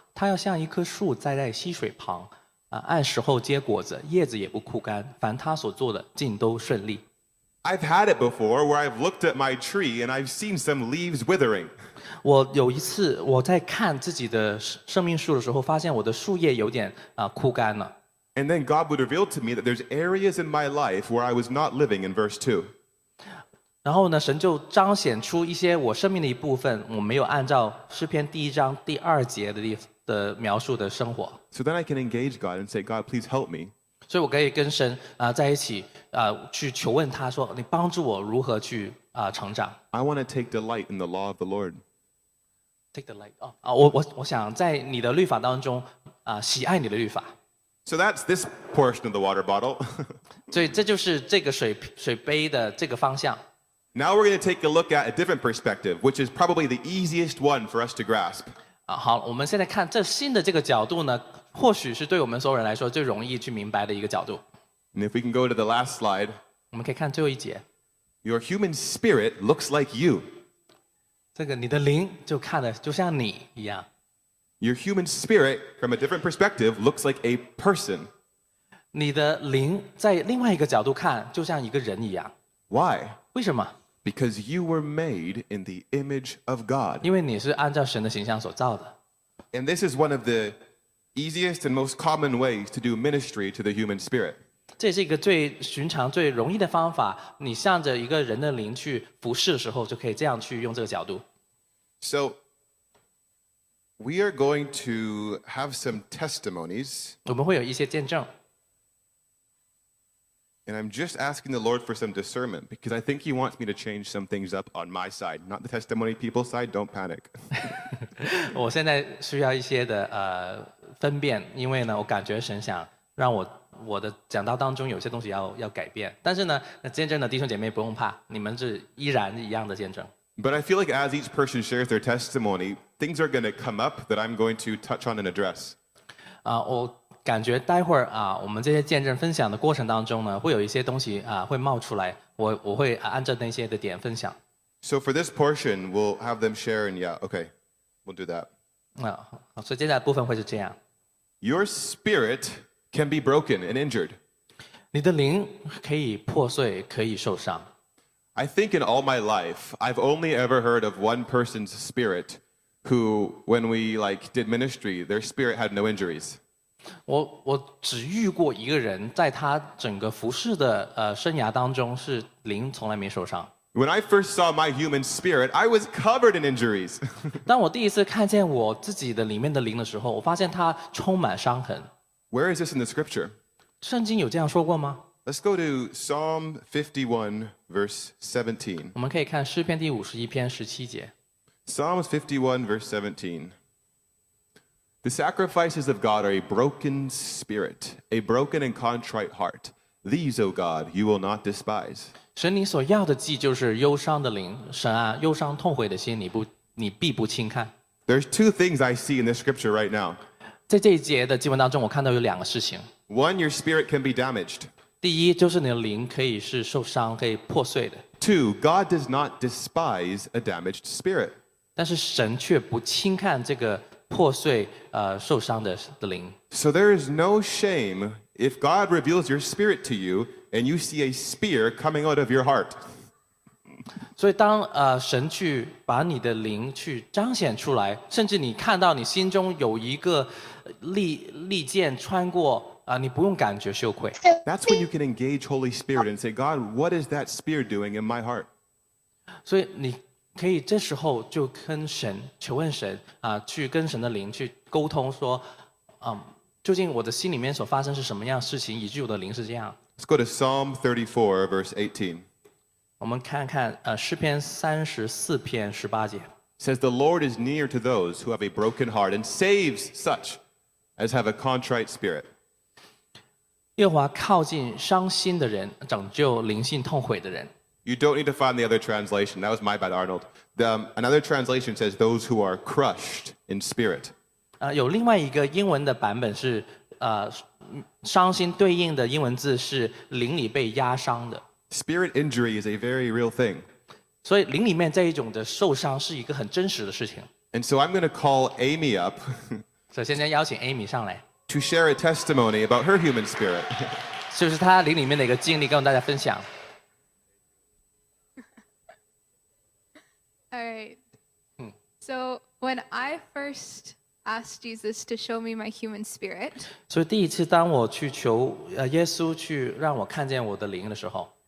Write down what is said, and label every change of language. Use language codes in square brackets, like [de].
[zh] 他要像一棵树栽在溪水旁，按时候结果子，叶子也不枯干，凡他所做的尽都顺利。 [en] I've had it before where I've looked at my tree and I've seen some leaves withering. [zh] 我有一次我在看自己的生命树的时候，发现我的树叶有点枯干了。 [en] And then God would reveal to me that there's areas in my life where I was not living in verse 2. [zh] 然后呢，神就彰显出一些我生命的一部分，我没有按照诗篇第一章第二节的描述的生活。 [en] So then I can engage God and say, God, please help me. [zh] 所以我可以跟神在一起去求问他说，你帮助我如何去成长。 [en] I want to take delight in the law of the Lord. Take delight. [zh] 我想在你的律法当中喜爱你的律法。 [en] So that's this portion of the water bottle. [zh] 所以这就是这个水杯的这个方向。 [en] Now we're going to take a look at a different perspective, which is probably the easiest one for us to grasp. [zh] 好，我们现在看这新的这个角度呢，或许是对我们所有人来说最容易去明白的一个角度。 [en] And if we can go to the last slide, [zh] 我们可以看最后一节。 [en] Your human spirit looks like you. [zh] 这个你的灵就看的就像你一样。 [en] Your human spirit, from a different perspective, looks like a person. [zh] 你的灵在另外一个角度看就像一个人一样。 [en] Why? [zh] 为什么？ [en] Because you were made in the image of God. [zh] 因为你是按照神的形象所造的。 [en] And this is one of the... easiest and most common ways to do ministry to the human spirit. [zh] 这是一个最寻常最容易的方法，你向着一个人的灵去服侍的时候，就可以这样去用这个角度。 [en] So, we are going to have some testimonies. [zh] 我们会有一些见证。 [en] And I'm just asking the Lord for some discernment, because I think he wants me to change some things up on my side, not the testimony people's side, don't panic. [zh] 我现在需要一些的分辨，因为呢，我感觉神想让我的讲道当中有些东西要改变。但是呢，那见证的弟兄姐妹不用怕，你们是依然一样的见证。 [en] But I feel like as each person shares their testimony, things are going to come up that I'm going to touch on and address. [zh] 我感觉待会儿我们这些见证分享的过程当中呢，会有一些东西会冒出来，我会按照那些的点分享。 [en] So for this portion, we'll have them share, and yeah, okay, we'll do that. [zh] 所以接下来部分会是这样。 [en] Your spirit can be broken and injured. [zh] 你的灵可以破碎，可以受伤。 [en] I think in all my life, I've only ever heard of one person's spirit who, when we like did ministry, their spirit had no injuries. [zh] 我只遇过一个人，在他整个服事的生涯当中，是灵从来没受伤。 [en] When I first saw my human spirit, I was covered in injuries. [zh] 当我第一次看见我自己的里面的灵的时候，我发现它充满伤痕。 [en] Where is this in the scripture? [zh] 圣经有这样说过吗？ [en] Let's go to Psalm 51, verse 17. [zh] 我们可以看诗篇第五十一篇十七节。 [en] Psalm 51, verse 17. The sacrifices of God are a broken spirit, a broken and contrite heart. These, O God, you will not despise. [zh] 神你所要的祭就是忧伤的灵，神啊，忧伤痛悔的心，你必不轻看。 [en] There's two things I see in this scripture right now. [zh] 在这一节的经文当中，我看到有两个事情。 [en] One, your spirit can be damaged. [zh] 第一，就是你的灵可以是受伤，可以破碎的。 [en] Two, God does not despise a damaged spirit. [zh] 但是神却不轻看这个破碎、受伤 的灵。 [en] So there is no shame if God reveals your spirit to you and you see a spear coming out of your heart. [zh] 所以当、神去把你的灵去彰显出来，甚至你看到你心中有一个 利剑穿过你不用感觉羞愧。 [en] That's when you can engage Holy Spirit and say, God, what is that spear doing in my heart? [zh] 所以你可以这时候就跟神求问神去跟神的灵去沟通说究竟我的心里面所发生是什么样的事情以致我的灵是这样。 [en] Let's go to Psalm 34, verse 18. [zh] 我们看看诗篇三十四篇十八节。 [en] Says the Lord is near to those who have a broken heart and saves such as have a contrite spirit. [zh] 耶和华靠近伤心的人，拯救灵性痛悔的人。 [en] You don't need to find the other translation. That was my bad, Arnold. Another translation says those who are crushed in spirit. [zh] 有另外一个英文的版本是，伤心对应的英文字是灵里被压伤的。 [en] Spirit injury is a very real thing. [zh] 所以灵里面这一种的受伤是一个很真实的事情。 [en] And so I'm going to call Amy up. [zh] 首先先邀请 Amy 上来。 [en] To share a testimony about her human spirit. [zh] 是不是她灵里面的一个经历跟大家分享 [en] All right. So when I first asked Jesus to show me my human spirit, [zh] 所以第一次当我去求耶稣去让我看见我的灵的时候